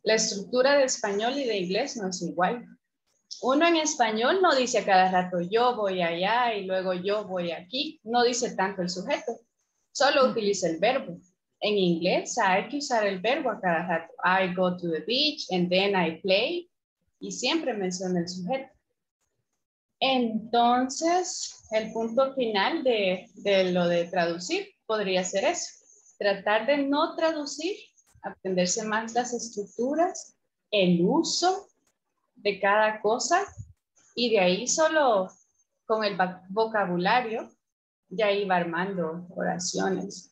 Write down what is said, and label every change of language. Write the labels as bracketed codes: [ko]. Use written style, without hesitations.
[es] La estructura de español y de inglés no es igual. Uno en español no dice a cada rato yo voy allá y luego yo voy aquí. No dice tanto el sujeto, solo utiliza el verbo. En inglés hay que usar el verbo a cada rato. [en] I go to the beach and then I play. [es] Y siempre menciona el sujeto. Entonces, el punto final de lo de traducir podría ser eso. Tratar de no traducir, aprenderse más las estructuras, el uso de cada cosa y de ahí solo con el vocabulario ya iba armando oraciones.